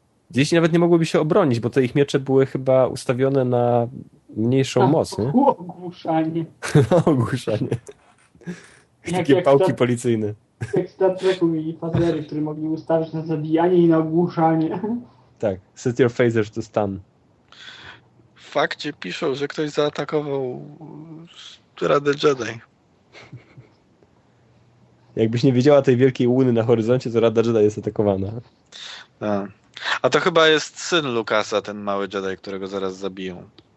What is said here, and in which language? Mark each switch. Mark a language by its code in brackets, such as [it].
[pl] Dzieci nawet nie mogłyby się obronić, bo te ich miecze były chyba ustawione na mniejszą moc, nie? Ogłuszanie. No, ogłuszanie. Takie pałki policyjne. Jak w Star Treku mieli fazery, które mogli ustawić na zabijanie i na ogłuszanie. [en] Tak, set your phasers to stun. [pl] W fakcie piszą, że ktoś zaatakował Radę Jedi. Jakbyś nie widziała tej wielkiej łuny na horyzoncie, to Rada Jedi jest atakowana. A to chyba jest syn Lukasa, ten mały Jedi, którego zaraz zabiją.